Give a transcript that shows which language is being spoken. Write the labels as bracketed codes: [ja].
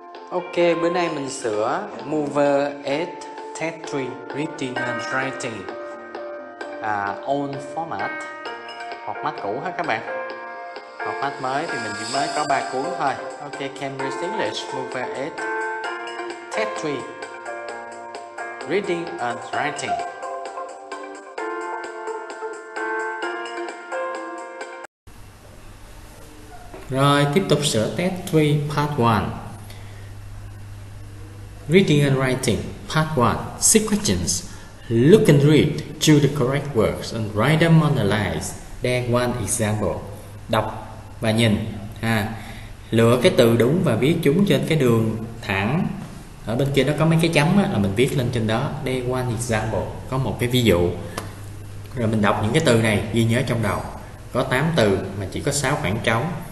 [vi] Ok, bữa nay mình sửa [en] mover at tetri reading and writing old format, [vi] format cũ hết các bạn. Format mới thì mình chỉ mới có 3 cuốn thôi. [en] Ok, Cambridge English mover at tetri reading and writing. [vi] Rồi, tiếp tục sửa tetri part 1. [en] Reading and writing, part 1. See questions. Look and read, choose the correct words and write them on the lines. Then one example. [vi] Đọc và nhìn ha. Lựa cái từ đúng và viết chúng trên cái đường thẳng. Ở bên kia nó có mấy cái chấm á, là mình viết lên trên đó. [en] Then one example. [vi] Có một cái ví dụ. Rồi mình đọc những cái từ này, ghi nhớ trong đầu. Có 8 từ mà chỉ có 6 khoảng trống.